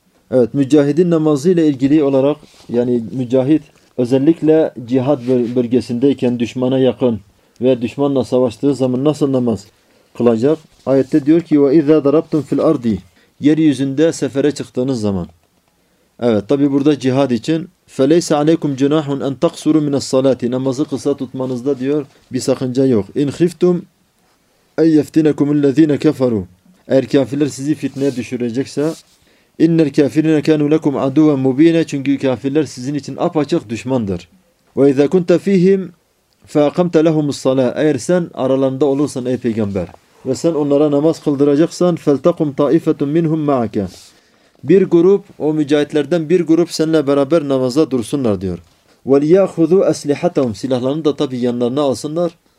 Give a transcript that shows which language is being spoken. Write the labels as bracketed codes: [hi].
[tr] Evet, mücahidin namazıyla ilgili olarak, yani mücahid özellikle cihat bölgesindeyken düşmana yakın ve düşmanla savaştığı zaman nasıl namaz kılacak? Ayette diyor ki [ar] وَاِذَا دَرَبْتُمْ فِي الْاَرْضِ [tr] Yeryüzünde sefere çıktığınız zaman. Evet, tabi burada cihat için [ar] فَلَيْسَ عَلَيْكُمْ جُنَاحٌ اَنْ تَقْصُرُوا مِنَ الصَّلَاتِ [tr] Namazı kısa tutmanızda diyor bir sakınca yok. [ar] اِنْ خِفْتُمْ اَيْ يَفْتِنَكُمُ الَّذ۪ينَ كَفَرُوا [tr] Eğer kafirler sizi fitneye düşürecekse [ar] اِنَّ الْكَافِرِينَ كَانُوا لَكُمْ عَدُوًا مُب۪ينَ [tr] Çünkü kafirler sizin için apaçık düşmandır. [ar] وَاِذَا كُنْتَ ف۪يهِمْ فَاَقَمْتَ لَهُمُ الصَّلَاةِ [tr] Eğer sen aralarında olursan ey peygamber ve sen onlara namaz kıldıracaksan [ar] فَلْتَقُمْ طَائِفَةٌ مِّنْهُمْ مَعَكَ [tr] Bir grup, o mücahitlerden bir grup seninle beraber namaza dursunlar diyor. [ar] وَلْيَاخُذُوا أَسْلِحَتَهُمْ [tr] Silahlarını da tabii yanlarına alsınlar.